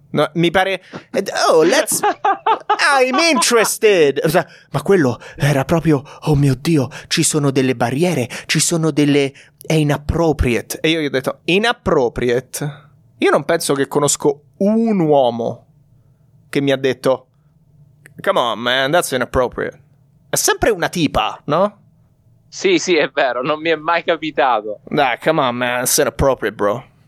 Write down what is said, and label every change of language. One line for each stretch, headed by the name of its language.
Italian: No, mi pare.
English: Oh, let's. I'm interested.
Italian: Ma quello era proprio. Oh mio Dio, ci sono delle barriere. Ci sono delle. È inappropriate. E io gli ho detto, inappropriate? Io non penso che conosco un uomo che mi ha detto.
English: Come on, man, that's inappropriate.
Italian: È sempre una tipa, no? Sì, sì, è vero, non mi è mai capitato.
English: Nah, come on, man, it's inappropriate, bro.